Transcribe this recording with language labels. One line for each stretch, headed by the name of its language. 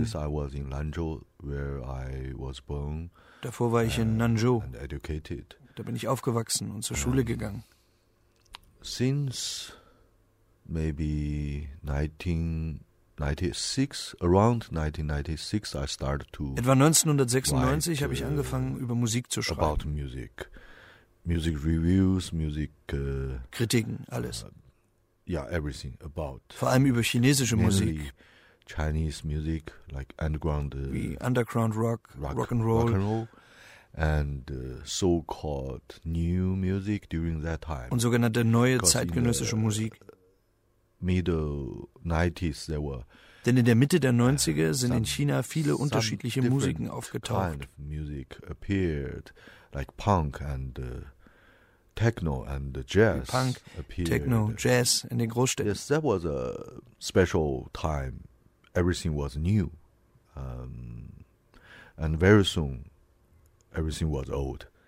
English: Before this, I was in Lanzhou, where I was born.
German: Davor war ich in Nanzhou.
English: And educated.
German: Da bin ich aufgewachsen und zur Schule gegangen.
English: Since maybe 1996, around 1996, I started to.
German: Etwa 1996 habe ich angefangen, über Musik zu schreiben.
English: About music, music reviews, music
German: Kritiken, alles.
English: Yeah, everything about.
German: Vor allem über chinesische Musik.
English: Chinese music, like underground.
German: Wie underground rock and roll.
English: Rock and roll. And so-called new music during that time.
German: Und sogenannte neue zeitgenössische Musik.
English: Middle 90s there were.
German: Denn in der Mitte der 90er sind in China viele unterschiedliche Musiken aufgetaucht.
English: Kind of music appeared, like punk and techno and jazz.
German: Wie punk, appeared. Techno, jazz in den Großstädten.
English: Yes, that was a special time. Everything was new. And very soon everything was old.